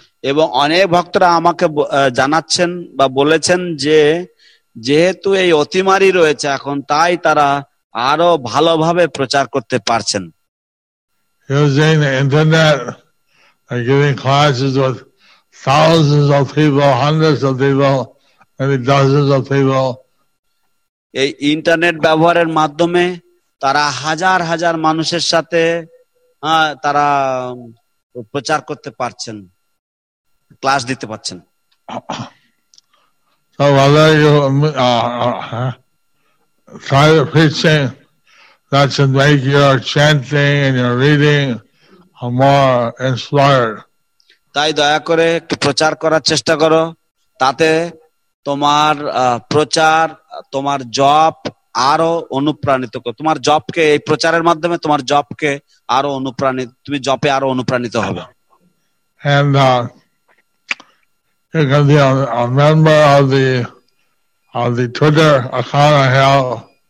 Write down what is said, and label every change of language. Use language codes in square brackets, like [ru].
[bn] এবং অনেক ভক্তরা আমাকে জানাচ্ছেন বা বলেছেন যে যেহেতু এই অতিমারি রয়েছে এখন তাই তারা আরো ভালোভাবে প্রচার করতে পারছেন [en] using the internet and giving classes with thousands of people, hundreds of people, maybe dozens of people. [bn] এই ইন্টারনেট ব্যবহারের মাধ্যমে তারা হাজার হাজার মানুষের সাথে তারা প্রচার করতে পারছেন ক্লাস দিতে পারছেন [en] So whether you try to preach that should make your chanting and your reading more inspired. [bn] তাই দয়া করে প্রচার করার চেষ্টা করো তাতে তোমার প্রচার তোমার জপ আরো অনুপ্রাণিত করো তোমার জপকে এই প্রচারের মাধ্যমে তোমার জপকে আরো অনুপ্রাণিত তুমি জপে আরো অনুপ্রাণিত হবে [en] and you can be a member of the Twitter account I have